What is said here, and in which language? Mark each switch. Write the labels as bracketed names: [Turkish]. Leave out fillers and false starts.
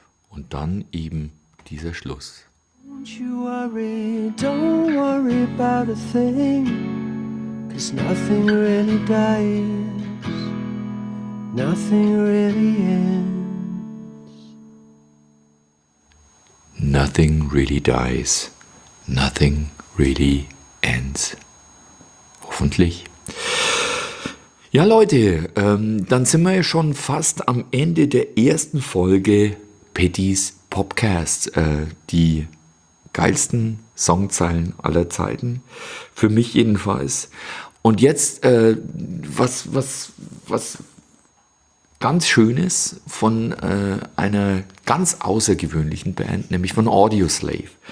[German] Und dann eben dieser Schluss. [English] Don't you worry, don't worry about a thing, 'cause nothing really dies, nothing really ends. Nothing really dies, nothing really ends. [German] Hoffentlich. Ja, Leute, dann sind wir ja schon fast am Ende der ersten Folge Pettys Popcast. Die geilsten Songzeilen aller Zeiten. Für mich jedenfalls. Und jetzt, was ganz Schönes von einer ganz außergewöhnlichen Band, nämlich von Audioslave.